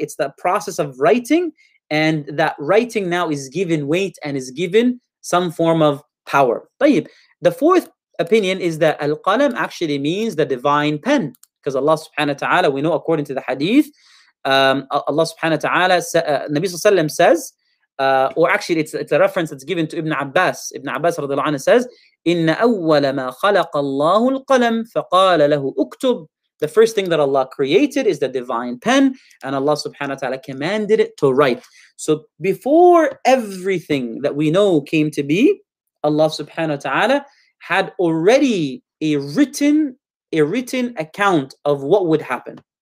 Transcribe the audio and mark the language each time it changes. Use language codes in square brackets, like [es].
[en] It's the process of writing. And that writing now is given weight and is given some form of power. [ar] طيب. [en] The fourth opinion is that al-qalam actually means the divine pen. Because Allah subhanahu wa ta'ala, we know according to the hadith, Allah subhanahu wa ta'ala, Nabi sallallahu alayhi wa sallam says, or actually it's a reference that's given to Ibn Abbas. [ar] Ibn Abbas [en] radiallahu anhu says, [ar] إِنَّ أَوَّلَ مَا خَلَقَ اللَّهُ الْقَلَمْ فَقَالَ لَهُ أُكْتُبْ. [en] The first thing that Allah created is the divine pen, and Allah subhanahu wa ta'ala commanded it to write. So before everything that we know came to be, Allah subhanahu wa ta'ala had already a written account of what would happen.